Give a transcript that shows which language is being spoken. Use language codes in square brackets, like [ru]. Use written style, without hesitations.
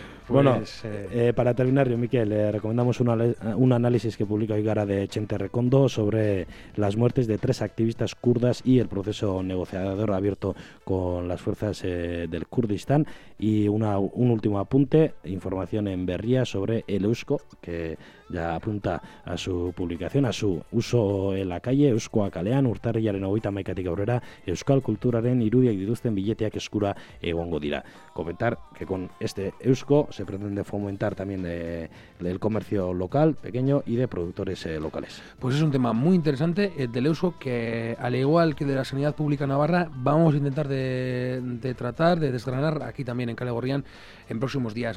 [es] Pues, bueno, para terminar, yo, Miquel, le recomendamos un análisis que publica hoy Gara de Chente Recondo sobre las muertes de 3 activistas kurdas y el proceso negociador abierto con las fuerzas del Kurdistán. Y un último apunte, información en Berria sobre el Eusko, que ya apunta a su publicación, a su uso en la calle. [eu] Eusko Akalean, urtarrilaren 31etik aurrera, euskal kulturaren irudiak dituzten billeteak eskura egongo dira. [es] Comentar que con este Eusko se pretende fomentar también el comercio local, pequeño, y de productores locales. Pues es un tema muy interesante, el del Eusko, que al igual que de la sanidad pública navarra, vamos a intentar de tratar, de desgranar aquí también en Kale Gorrian en próximos días.